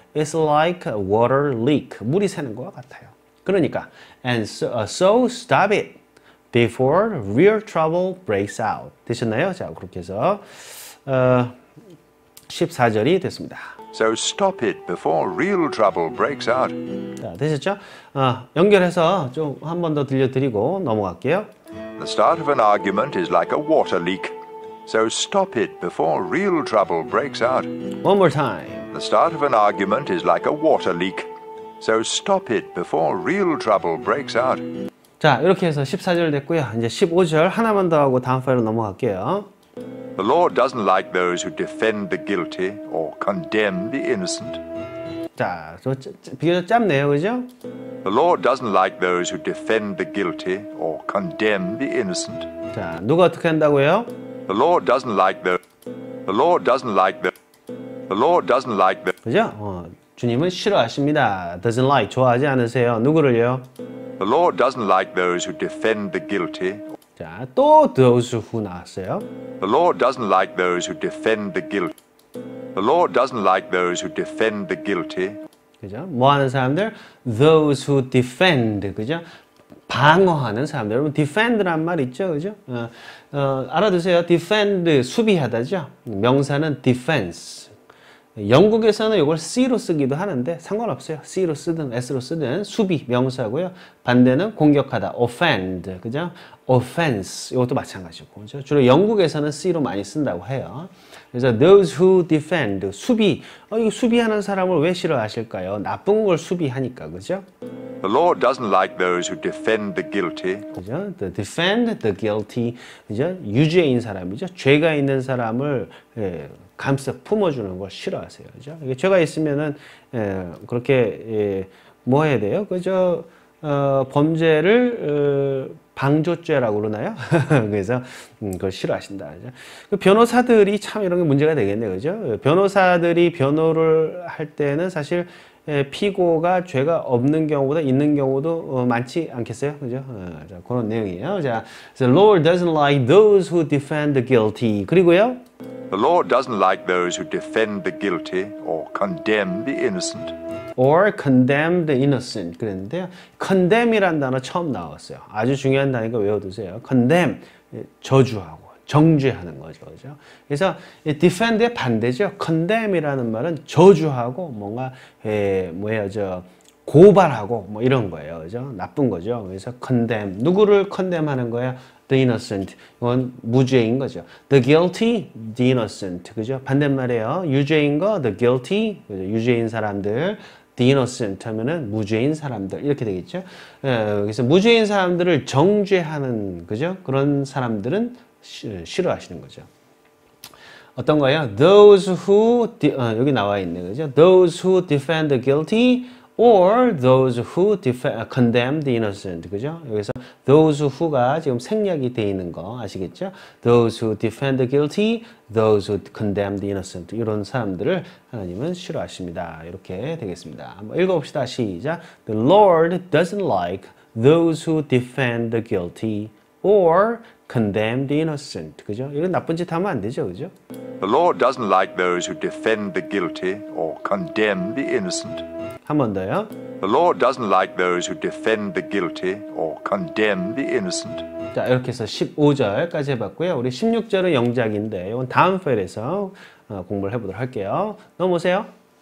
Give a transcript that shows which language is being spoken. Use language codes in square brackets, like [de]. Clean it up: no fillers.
[en] It's like a water leak. [ko] 물이 새는 것 같아요. 그러니까 [en] and so stop it before real trouble breaks out [ko] 되셨나요? 자, 그렇게 해서 14절이 됐습니다. [en] So stop it before real trouble breaks out. [ko] 자, 되셨죠? 연결해서 좀 한 번 더 들려드리고 넘어갈게요. [en] The start of an argument is like a water leak. So stop it before real trouble breaks out. One more time. The start of an argument is like a water leak. So stop it before real trouble breaks out. [ko] 자, 이렇게 해서 14절 됐고요. 이제 15절 하나만 더 하고 다음 파일로 넘어갈게요. [en] The Lord doesn't like those who defend the guilty or condemn the innocent. [ko] 자, 좀 비교적 짧네요, 그죠? [en] The Lord doesn't like those who defend the guilty or condemn the innocent. [ko] 자, 누가 어떻게 한다고요? [en] The Lord doesn't like the. The Lord doesn't like the. The Lord doesn't like the. [ko] 그죠? 주님은 싫어하십니다. [en] Doesn't like [ko] 좋아하지 않으세요. 누구를요? [en] The Lord doesn't like those who defend the guilty. [ko] 자, 또 those who 나왔어요. [en] The Lord doesn't like those who defend the guilty. The Lord doesn't like those who defend the guilty. [ko] 그죠? 뭐 하는 사람들? [en] Those who defend, [ko] 그죠? 방어하는 사람들. 여러분, defend란 말 있죠, 그죠? 알아두세요. Defend, 수비하다죠? 명사는 defense. 영국에서는 이걸 C로 쓰기도 하는데 상관없어요. C로 쓰든 S로 쓰든 수비 명사고요. 반대는 공격하다. Offend, 그죠? Offense 이것도 마찬가지고 그죠? 주로 영국에서는 C로 많이 쓴다고 해요. 그래서 those who defend 수비 이 수비하는 사람을 왜 싫어하실까요? 나쁜 걸 수비하니까 그죠? [en] The Lord doesn't like those who defend the guilty. [ko] 그죠? [en] The defend the guilty [ko] 그죠? 유죄인 사람이죠. 죄가 있는 사람을 예, 감싸 품어주는 걸 싫어하세요. 그죠? 이게 죄가 있으면은 예, 그렇게 예, 뭐 해야 돼요? 그죠? 범죄를 방조죄라고 그러나요? 그래서 그걸 싫어하신다. 그죠? 그 변호사들이 참 이런 게 문제가 되겠네요. 그죠? 변호사들이 변호를 할 때는 사실 예, 피고가 죄가 없는 경우보다 있는 경우도 많지 않겠어요? 그죠? 자, 그런 내용이에요. [en] 자, The Lord doesn't like those who defend the guilty. [ko] 그리고요? [en] The Lord doesn't like those who defend the guilty or condemn the innocent. Or condemn the innocent. [ko] 그랬는데요. Condemn이란 단어 처음 나왔어요. 아주 중요한 단어니까 외워두세요. Condemn, 저주하고. 정죄하는 거죠. 그렇죠? 그래서 defend의 반대죠. condemn이라는 말은 저주하고 뭔가 에, 뭐예요, 저 고발하고 뭐 이런 거예요. 그렇죠? 나쁜 거죠. 그래서 condemn 누구를 condemn하는 거예요? [en] The innocent. [ko] 이건 무죄인 거죠. [en] The guilty, the innocent. [ko] 그죠? 반대말이에요. 유죄인 거, [en] the guilty. [ko] 그죠? 유죄인 사람들. [en] The innocent [ko] 하면은 무죄인 사람들 이렇게 되겠죠. 에, 그래서 무죄인 사람들을 정죄하는 그죠? 그런 사람들은 싫어하시는 거죠. 어떤 거예요? Those who 여기 나와 있는 거죠. [en] Those who defend the guilty or those who condemn the innocent [ko] 그죠? 여기서 those who가 지금 생략이 돼 있는 거 아시겠죠? [en] Those who defend the guilty, those who condemn the innocent [ko] 이런 사람들을 하나님은 싫어하십니다. 이렇게 되겠습니다. 한번 읽어봅시다. 시작. [en] The Lord doesn't like those who defend the guilty or condemn the innocent. [ko] 그죠? 이건 나쁜 짓 하면 안 되죠. 그죠? [en] The Lord doesn't like those who defend the guilty or condemn the innocent. [ko] 한 번 더요. [en] The Lord doesn't like those who defend the guilty or condemn the innocent. [ko] 자, 이렇게 해서 15절까지 해봤고요. 우리 16절은 영작인데 이건 다음 파일에서 공부를 해보도록 할게요. 넘어오세요.